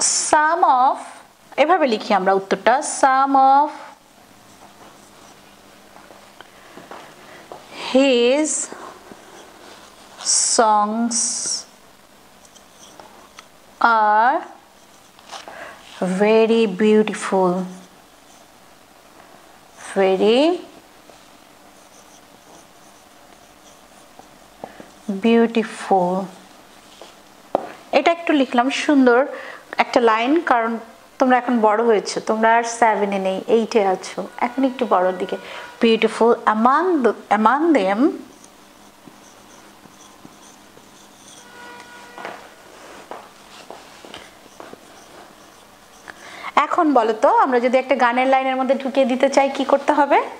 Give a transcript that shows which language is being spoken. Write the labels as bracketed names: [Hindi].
[English] Some of [Bangla] এভাবে লিখি আমরা উত্তরটা। [English] Some of his songs are very beautiful, very beautiful. [Bangla] এটা একটু লিখলাম সুন্দর একটা লাইন, কারণ তোমরা এখন বড় হয়েছো, তোমরা আর 7-এ নেই, 8-এ আছো, এখন একটু বড়ের দিকে। [English] beautiful among them, [Bangla] এখন বলো তো আমরা যদি একটা গানের লাইনের মধ্যে ঢুকিয়ে দিতে চাই কি করতে হবে?